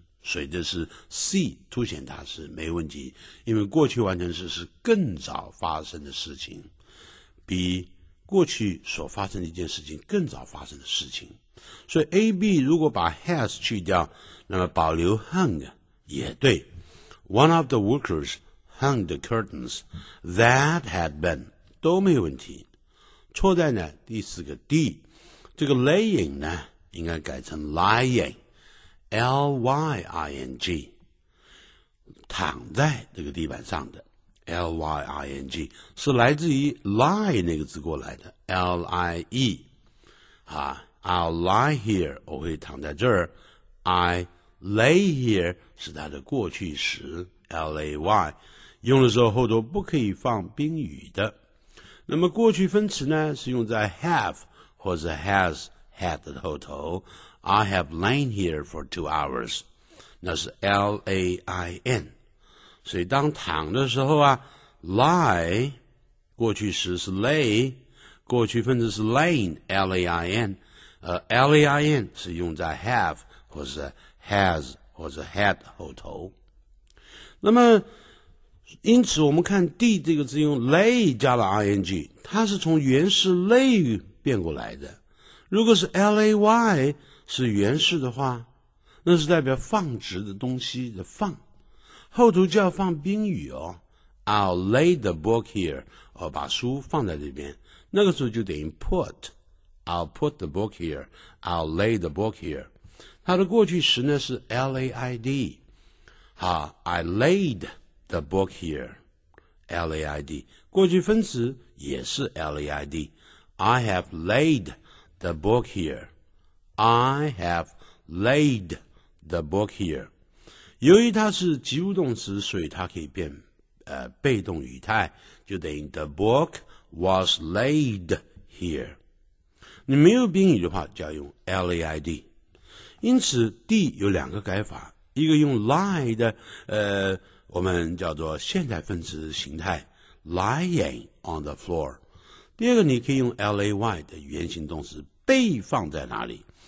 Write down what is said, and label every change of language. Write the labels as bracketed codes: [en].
[zh] 所以这是 C 凸显它是没问题，因为过去完成时是更早发生的事情，比过去所发生的一件事情更早发生的事情。所以 AB 如果把 has 去掉，那么保留 hung 也对。 [en] One of the workers hung the curtains that had been [zh] 都没问题。错在呢第四个 D， 这个 laying 呢应该改成 lying，L-Y-I-N-G， 躺在这个地板上的 L-Y-I-N-G 是来自于 lie 那个字过来的 L-I-E、啊、 [en] I'll lie here， [zh] 我会躺在这儿。 [en] I lay here [zh] 是它的过去时 L-A-Y， 用的时候后头不可以放宾语的。那么过去分词呢是用在 have 或者 has had 的后头。 [en] I have lain here for 2 hours， [zh] 那是 L-A-I-N， 所以当躺的时候啊 lie 过去时是 lay， 过去分词是 lain L-A-I-N， L-A-I-N 是用在 have 或者 has 或者 had 后头。那么因此我们看 D 这个字用 lay 加了 ing， 它是从原式 lay 变过来的。如果是 L-A-Y是原式的话，那是代表放置的东西的放，后头就要放宾语哦。 [en] I'll lay the book here， [zh] 我把书放在这边，那个时候就等于 put。 [en] I'll put the book here， I'll lay the book here。 [zh] 它的过去时呢是 [en] laid， 好 ，I laid the book here，laid。 [zh] 过去分词也是 laid。 [en] I have laid the book here。 I have laid the book here。 [zh] 由于它是及物动词，所以它可以变被动语态，就等于 [en] The book was laid here。 [zh] 你没有宾语的话就要用 LAID。因此 D 有两个改法，一个用 lie 的我们叫做现代分词形态 [en] lying on the floor， [zh] 第二个你可以用 LAY 的原形动词被放在哪里。